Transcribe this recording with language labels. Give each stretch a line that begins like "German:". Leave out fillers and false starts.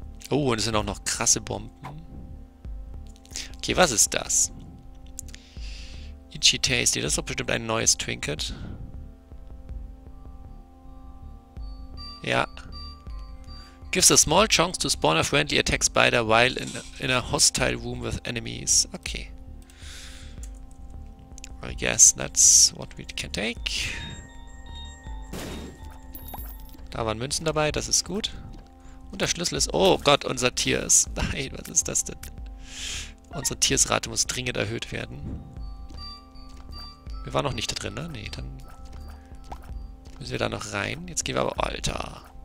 German: Oh, und es sind auch noch krasse Bomben. Okay, was ist das? Itchy Tasty. Das ist doch bestimmt ein neues Trinket. Ja.
English: Gives a small chance to spawn a friendly attack spider while in a hostile room with enemies. Okay. I guess that's what we can take.
German: Da waren Münzen dabei, das ist gut. Und der Schlüssel ist... Oh Gott, unser Tier ist... Nein, was ist das denn? Unsere Tiersrate muss dringend erhöht werden. Wir waren noch nicht da drin, ne? Nee, dann... Müssen wir da noch rein? Jetzt gehen wir aber... Alter.